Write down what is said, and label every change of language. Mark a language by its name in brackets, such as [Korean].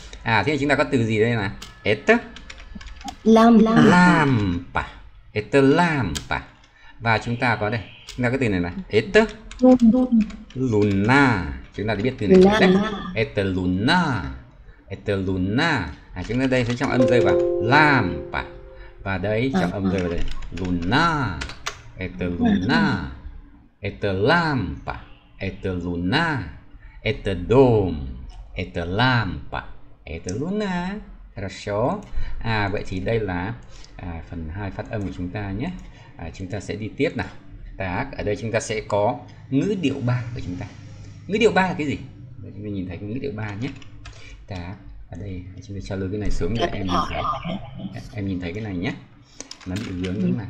[Vietnamese] À thế chúng ta có từ gì đây nè, Ê tơ lam pa, Ê tơ lam pa, và chúng ta có đây, chúng ta có từ này nè, Ê tơ luna, chúng ta đã biết từ này rồi đấy, Ê tơ luna, Ê tơ luna. À, chúng ta đây sẽ trọng âm rơi vào lam pa và đấy trọng âm rơi vào đây luna, Ê tơ luna. [Russian] Это лампа, это луна, это дом, это лампа, это луна. Хорошо. [Vietnamese] À, vậy thì đây là phần 2 phát âm của chúng ta nhé. À, chúng ta sẽ đi tiếp nào. Đó, ở đây chúng ta sẽ có ngữ điệu 3 của chúng ta. Ngữ điệu 3 là cái gì? Để chúng ta nhìn thấy cái ngữ điệu 3 nhé. Đó, ở đây chúng ta cho lưu cái này xuống để em nhìn thấy. Em nhìn thấy cái này nhé. Nó bị vướng đúng không nào?